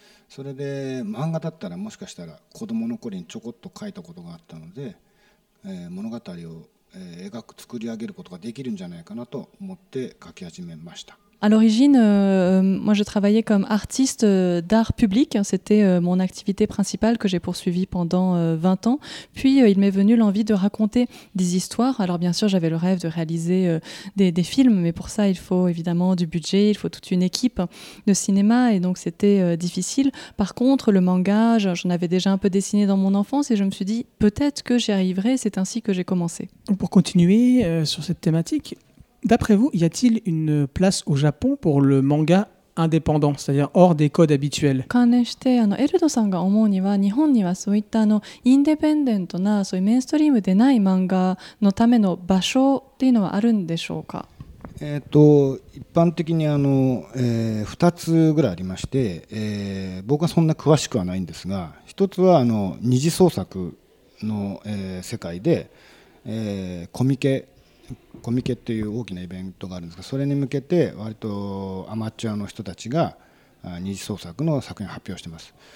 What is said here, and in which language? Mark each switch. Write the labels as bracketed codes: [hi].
[ja] それで漫画だったらもしかしたら子供の頃にちょこっと書いたことがあったので、物語を描く作り上げることができるんじゃないかなと思って書き始めました。 [fr] À l'origine, moi je travaillais comme artiste d'art public. C'était mon activité principale que j'ai poursuivie pendant 20 ans. Puis il m'est venu l'envie de raconter des histoires. Alors bien sûr, j'avais le rêve de réaliser des films, mais pour ça, il faut évidemment du budget, il faut toute une équipe de cinéma, et donc c'était difficile. Par contre, le manga, j'en avais déjà un peu dessiné dans mon enfance et je me suis dit, peut-être que j'y arriverai. C'est ainsi que j'ai commencé. Pour continuer sur cette thématique, d'après vous, y a-t-il une place au Japon pour le manga indépendant, c'est-à-dire hors des codes habituels ? [ja] 関連して、あの、エルドさんが思うには、日本にはそういったあの、インデペンデントな、そういうメインストリームでない漫画のための場所っていうのはあるんでしょうか？一般的に2つぐらいありまして、僕はそんな詳しくはないんですが、一つは二次創作の、世界で、コミケっていう大きなイベントがあるんですが、それに向けて割とアマチュアの人たちが二次創作の作品を発表してます。